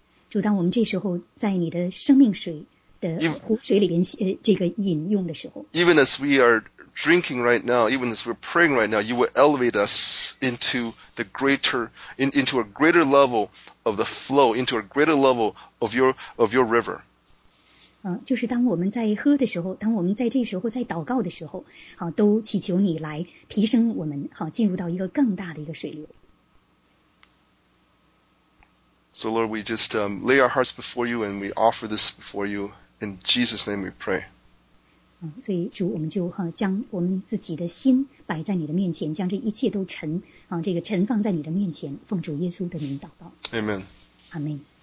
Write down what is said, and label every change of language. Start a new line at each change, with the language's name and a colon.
Chinese: 主，当我们这时候在你的生命水的湖水里边这个饮用的时候，
English: even as we are drinking right now, even as we're praying right now, you will elevate us into the greater, into a greater level of the flow, into a greater level of your river.
Chinese: 就是当我们在喝的时候，当我们在这时候在祷告的时候，好，都祈求你来提升我们，好，进入到一个更大的一个水流。
English: So Lord, we just lay our hearts before you and we offer this before you. In Jesus' name we pray.
Chinese: 所以主，我们就哈、啊、将我们自己的心摆在你的面前，将这一切都沉啊，这个沉放在你的面前，奉主耶稣的名祷告。
English: Amen. Amen. Amen.